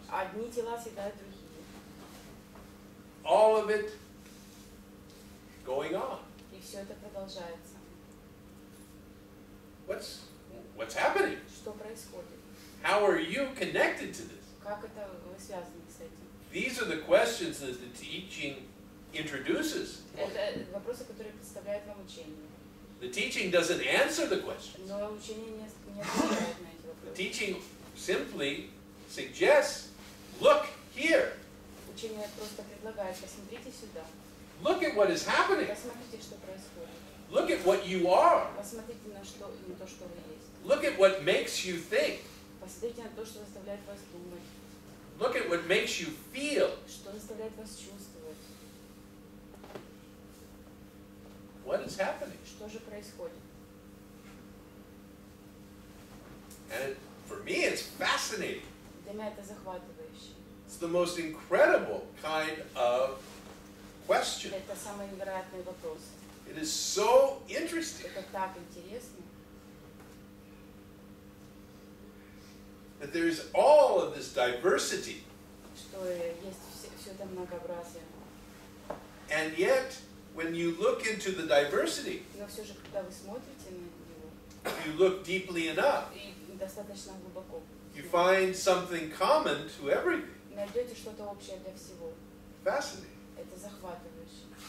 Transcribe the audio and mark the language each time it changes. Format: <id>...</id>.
<ru>Одни тела съедают другие.</ru> <en>All of it going on.</en> <ru>И все это продолжается.</ru> <en>What's happening?</en> <ru>Что происходит?</ru> <en>How are you connected to this?</en> <ru>Как это вы связаны с этим?</ru> <en>These are the questions that the teaching introduces.</en> <ru>Это вопросы, которые представляет вам учение.</ru> <en>The teaching doesn't answer the questions.</en> <ru>Но учение не отвечает на эти вопросы.</ru> <en>The teaching simply suggests, look here.</en> <ru>Учение просто предлагает, посмотрите сюда.</ru> <en>Look at what is happening.</en> <ru>Посмотрите, что происходит.</ru> <en>Look at what you are.</en> <ru>Посмотрите на что, на то, что вы есть.</ru> <en>Look at what makes you think.</en> <ru>Посмотрите на то, что заставляет вас думать.</ru> <en>Look at what makes you feel.</en> <ru>Что заставляет вас чувствовать.</ru> <en>What is happening?</en> <ru>Что же происходит?</ru> <en>And for me it's fascinating.</en> <ru>Для меня это захватывающе.</ru> <en>It's the most incredible kind of question.</en> <ru>Это самый невероятный вопрос.</ru> <en>It is so interesting.</en> <ru>Это так интересно.</ru> <en>That there is all of this diversity.</en> <ru>Что есть все это многообразие.</ru> <en>And yet, when you look into the diversity,</en> <ru>но все же, когда вы смотрите на него,</ru> <en>you look deeply enough,</en> <ru>и достаточно глубоко,</ru> <en>you find something common to everything.</en> <ru>Найдете что-то общее для всего.</ru> <en>Fascinating.</en> <ru>Это захватывающе.</ru>